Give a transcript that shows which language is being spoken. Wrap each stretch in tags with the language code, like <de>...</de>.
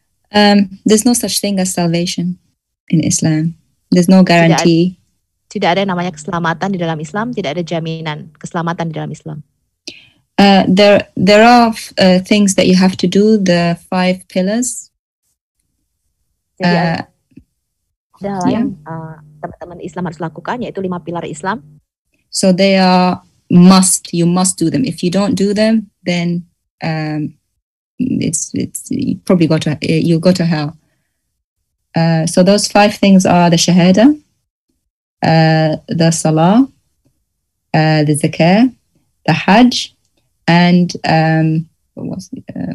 <en>There's no such thing as salvation in Islam. There's no guarantee.</en> <id>Tidak ada namanya keselamatan di dalam Islam. Tidak ada jaminan keselamatan di dalam Islam.</id> <en>There are things that you have to do, the five pillars.</en> <id>Ada hal yang teman-teman Islam harus lakukan, yaitu lima pilar Islam.</id> <en>So they are must, you must do them. If you don't do them, then it's you probably go to, you'll go to hell. So those five things are the shahada, the salah, the zakah, the hajj, and what was it?</en>